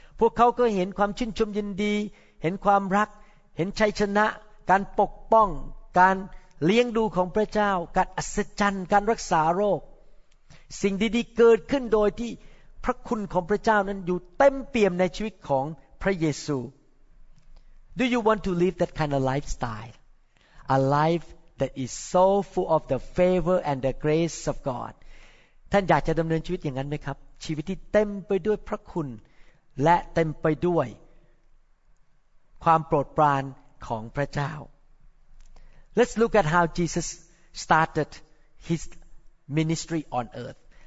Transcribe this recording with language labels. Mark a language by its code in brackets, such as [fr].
[th] พวกเขาก็เห็นความชื่นชมยินดีเห็นความรักเห็นชัยชนะการปกป้องการเลี้ยงดูของพระเจ้าการอัศจรรย์การรักษาโรคสิ่งดีๆเกิดขึ้นโดยที่พระคุณของพระเจ้านั้นอยู่เต็มเปี่ยมในชีวิตของพระเยซู [en] Do you want to live that kind of lifestyle? A life that is so full of the favor and the grace of God. [th] ท่านอยากจะดำเนินชีวิตอย่างนั้นไหมครับ ชีวิตที่เต็มไปด้วยพระคุณและเต็มไปด้วยความโปรดปรานของพระเจ้า [en] Let's look at how Jesus started his ministry on earth.